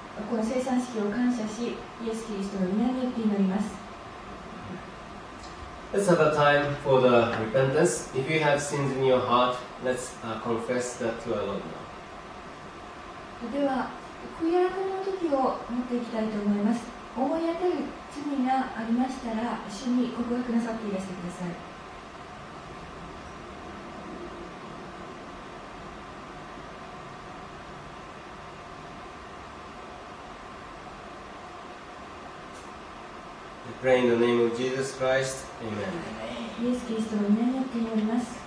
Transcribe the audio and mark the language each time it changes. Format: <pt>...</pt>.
<ja>この聖餐式を感謝し、イエス・キリストの御名によって祈ります。</ja> <en>Let's have a time for the repentance. If you have sins in your heart, let's confess that to our Lord now.</en> <ja>では、悔い改めの時を持っていきたいと思います。思い当たる罪がありましたら、主に告白なさっていらしてください。</ja> <en>Pray in the name of Jesus Christ. Amen.</en> <ja>イエス・キリストの御名によって祈ります。</ja>